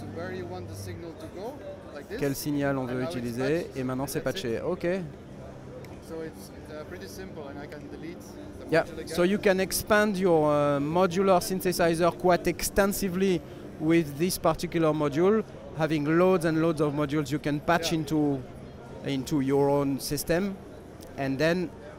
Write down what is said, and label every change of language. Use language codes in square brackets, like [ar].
[en] Where you want the signal to go, like this, [fr] quel signal on veut utiliser, et maintenant c'est patché, ok. [en] So it's pretty simple, and I can delete. Yeah, so you can expand your modular synthesizer quite extensively with this particular module, having loads and loads of modules you can patch yeah. into your own system, and then.